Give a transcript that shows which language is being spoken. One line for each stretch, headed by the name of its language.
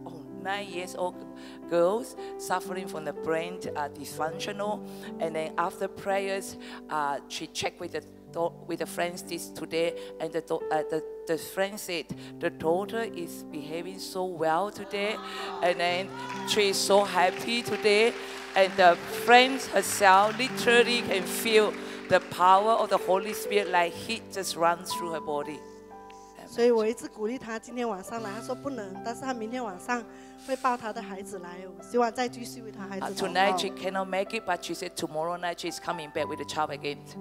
English: Oh, 9 years old girls suffering from the brain dysfunctional, and then after prayers, she checked with the friends this today, and the friend said the daughter is behaving so well today, and then she's so happy today, and the friend herself literally can feel the power of the Holy Spirit like heat just runs through her body.
Chinese: 所以我一直鼓励她今天晚上来，她说不能，但是她明天晚上。会抱她的孩子来，希望再继续为她孩子祷告。
English: Tonight she cannot make it, but she said tomorrow night she's coming back with the child again.